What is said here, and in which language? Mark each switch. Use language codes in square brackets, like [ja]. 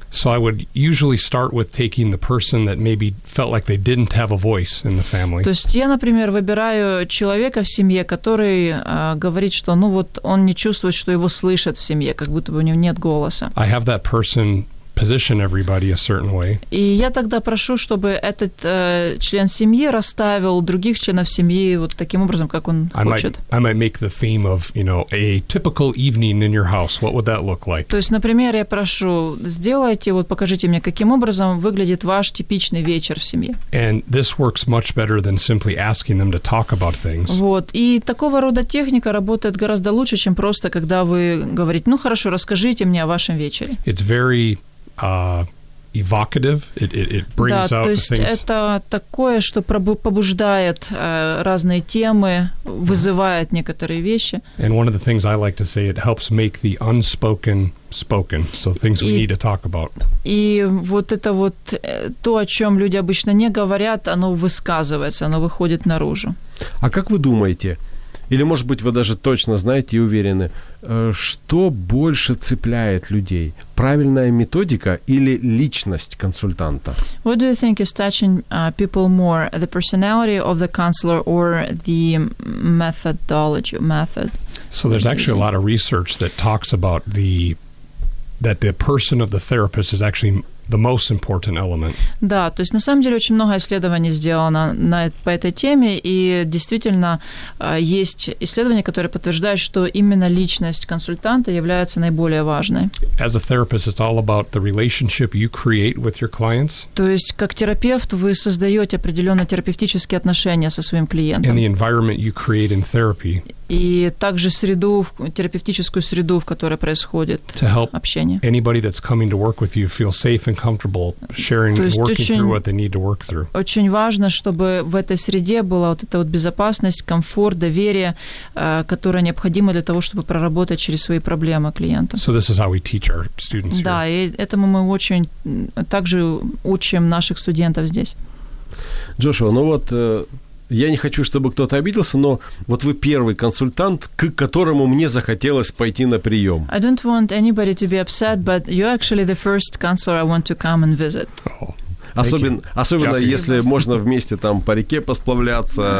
[en] So I would usually start with taking the person that maybe felt like they didn't have a voice in the family. [ru] То есть я, например, выбираю человека в семье, который говорит, что он не чувствует, что его слышат в семье, как будто бы у него нет голоса. [en] I have that person position everybody a certain way. [ru] И я тогда прошу, чтобы этот член семьи расставил других членов семьи вот таким образом, как он хочет. [en] I might make the theme of, you know, a typical evening in your house. What would that look like? [ru] То есть, например, я прошу, сделайте, вот покажите мне, каким образом выглядит ваш типичный вечер в семье. [en] And this works much better than simply asking them to talk about things. [ru] Вот. И такого рода техника работает гораздо лучше, чем просто когда вы говорите, хорошо, расскажите мне о вашем вечере. [en] It's very evocative. It brings out things. [ru] Да, то есть это такое, что побуждает разные темы, вызывает некоторые вещи. [en] And one of the things I like to say, it helps make the unspoken spoken. So things we need to talk about. [ru] И вот это вот то, о чем люди обычно не говорят, оно высказывается, оно выходит наружу. А как вы думаете? Или, может быть, вы даже точно знаете и уверены, что больше цепляет людей? Правильная методика или личность консультанта? [en] What do you think is touching people more? The personality of the counselor or the methodology, method? So there's actually a lot of research that talks about the person of the therapist is actually the most important element. [ru] Да, то есть на самом деле очень много исследований сделано по этой теме, и действительно есть исследования, которые подтверждают, что именно личность консультанта является наиболее важной. [en] As a therapist, it's all about the relationship you create with your clients. [ru] То есть как терапевт вы создаете определенные терапевтические отношения со своим клиентом. [en] And the environment you create in therapy. [ru] И также среду, терапевтическую среду, в которой происходит [en] to help [ru] общение. [en] Anybody that's coming to work with you feel safe and comfortable sharing, working through what they need to work through. [ru] Очень важно, чтобы в этой среде была вот эта вот безопасность, комфорт, доверие, которое необходимо для того, чтобы проработать через свои проблемы клиента. [en] So this is how we teach our students. [ru] Да, [en] here. [ru] И этому мы очень также учим наших студентов здесь. Джошуа, ну вот. Я не хочу, чтобы кто-то обиделся, но вот вы первый консультант, к которому мне захотелось пойти на прием. [en] I don't want anybody to be upset, but you're actually the first counselor I want to come and visit. [ru] Особенно если можно вместе там по реке посплавляться,